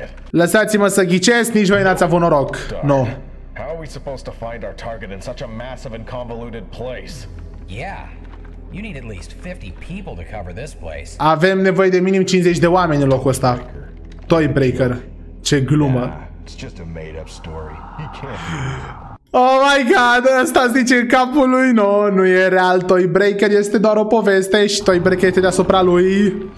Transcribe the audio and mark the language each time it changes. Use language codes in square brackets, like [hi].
[ro] Lăsați-mă să ghicesc, nici voi n-ați avut noroc. Nu. [en] How are we supposed to find our target in such a massive and convoluted place? Yeah. You need at least 50 people to cover this place. [ro] Avem nevoie de minim 50 de oameni în locul ăsta. [en] Toy Breaker. [ro] Ce glumă. [en] It's just a made up story. He can't. Oh my god, [ro] ăsta zice în capul lui, no, nu e real, Toy Breaker este doar o poveste și Toy Breaker este deasupra lui.